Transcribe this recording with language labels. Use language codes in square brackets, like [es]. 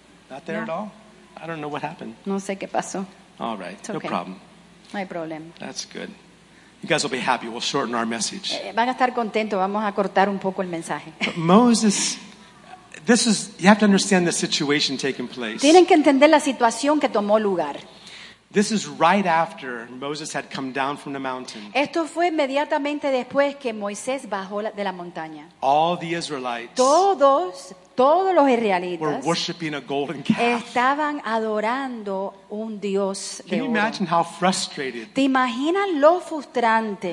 [en] Not there no. at all. I don't know what happened. [es] No sé qué pasó. [en] All right. It's okay. No problem. [es] No hay problema. [en] That's good. You guys will be happy. We'll shorten our message. [es] Van a estar contentos. Vamos a cortar un poco el mensaje. [en] Moses, this is. You have to understand the situation taking place. [es] Tienen que entender la situación que tomó lugar. [en] This is right after Moses had come down from the mountain. [es] Esto fue inmediatamente después que Moisés bajó de la montaña. [en] All the Israelites [es] todos los israelitas [en] were worshiping a golden calf. [es] Estaban adorando un dios [en] Can you [es] oro. [en] Imagine how frustrated? [es] ¿Te imaginas lo frustrante?